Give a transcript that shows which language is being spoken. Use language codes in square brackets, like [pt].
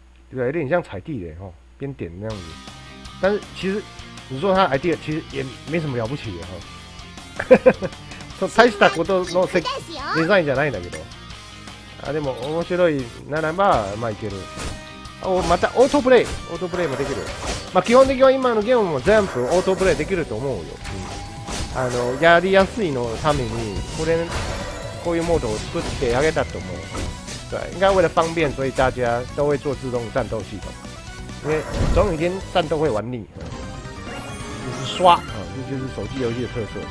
[zh] 对啊，有点像踩地雷哈，边点那样子。但是其实，你说他 idea 其实也没什么了不起的哈。 [ja] 大したことのデザインじゃないんだけど。あ、でも面白いならば、まあいける。お、またオートプレイ、オートプレイもできる。まあ基本的には今のゲームも全部オートプレイできると思うよ。あの、やりやすいのために、これ、こういうモードを作ってあげたと思う。 [zh] 对、应该为了方便、所以大家都会做自动战斗系统。因为、总有一天战斗会玩腻。就是刷、这就是手机游戏的特色。